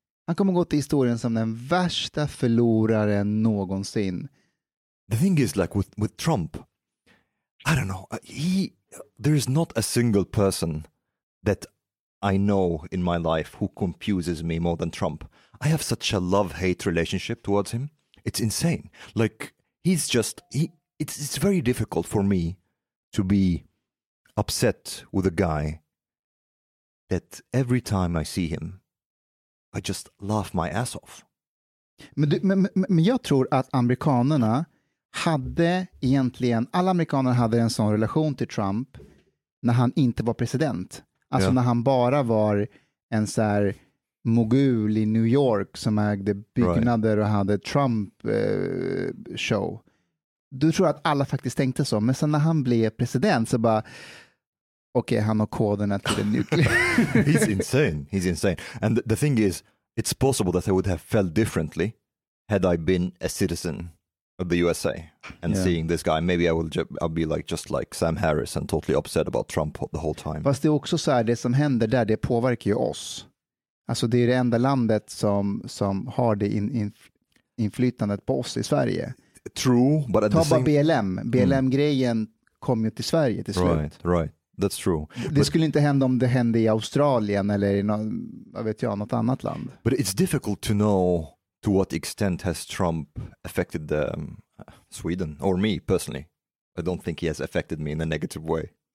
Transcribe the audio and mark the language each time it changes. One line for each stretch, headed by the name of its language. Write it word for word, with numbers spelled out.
Swedish: Han kommer gå till historien som den värsta förloraren någonsin.
English: The thing is, like with with Trump, I don't know. He there is not a single person that I know in my life who confuses me more than Trump. I have such a love-hate relationship towards him. It's insane. Like he's just he. It's it's very difficult for me to be upset with a guy that every time I see him, I just laugh my ass off.
Swedish: Men, du, men, men jag tror att amerikanerna hade egentligen, alla amerikaner hade en sån relation till Trump när han inte var president. Alltså yeah. när han bara var en så här mogul i New York som ägde byggnader right. och hade Trump eh, show. Du tror att alla faktiskt tänkte så, men sen när han blev president så bara okej, okay, han har koderna till den nuclear.
English: He's insane. He's insane. And the, the thing is, it's possible that I would have felt differently had I been a citizen of the U S A and yeah. seeing this guy. Maybe I will ju- I'll be like just like Sam Harris and totally upset about Trump the whole time.
Swedish: Fast det är också så här, det som händer där, det påverkar ju oss. Alltså det är det enda landet som, som har det in, in, inflytandet på oss i Sverige.
English: True, but at
Swedish: Ta
English: the same...
Swedish: bara B L M. B L M-grejen mm. kom ju till Sverige till slut.
English: Right, right. That's true.
Swedish: Det but... skulle inte hända om det hände i Australien eller i något, vad vet jag, något annat land.
English: But it's difficult to know to what extent has Trump affected the, um, Sweden or me personally. I don't think he has affected me in a negative way.